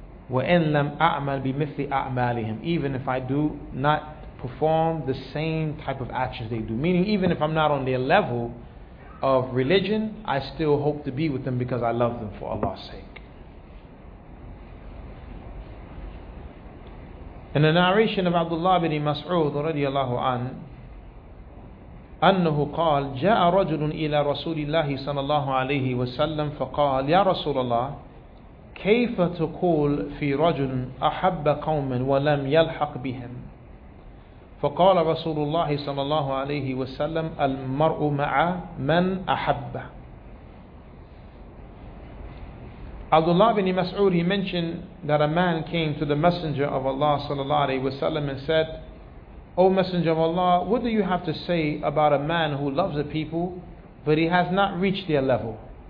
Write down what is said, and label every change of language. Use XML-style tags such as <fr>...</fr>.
<ar>وَإِنْ لَمْ أَعْمَلْ بِمِثْلِ أَعْمَالِهِمْ,</ar> <en>even if I do not perform the same type of actions they do, meaning even if I'm not on their level of religion, I still hope to be with them because I love them for Allah's sake. In the narration of Abdullah ibn Mas'ud radiallahu anhu,</en> <ar>أنه قال جاء رجل إلى رسول الله صلى الله عليه وسلم فقال يا رسول الله كيف تقول في رجل أحب قوما ولم يلحق بهم فقال رسول الله صلى الله عليه وسلم المرء مع من أحب.</ar> <en>Abdullah ibn Mas'ud, he mentioned that a man came to the Messenger of Allah</en> <ar>صلى الله عليه وسلم</ar> <en>and said, "O Messenger of Allah, what do you have to say about a man who loves the people but he has not reached their level?</en>